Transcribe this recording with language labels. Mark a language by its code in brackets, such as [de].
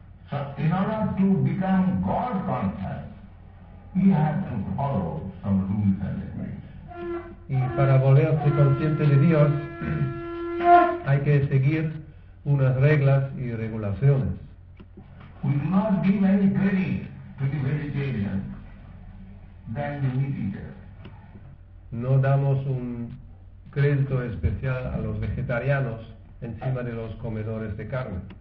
[en] So in order to become God conscious, we have to follow some rules and regulations. [es] Y para volverse consciente de Dios, hay que seguir unas reglas y regulaciones. [en] We do not give any credit to the vegetarians than the meat eaters. [es] No damos un crédito especial a los vegetarianos encima de los comedores de carne.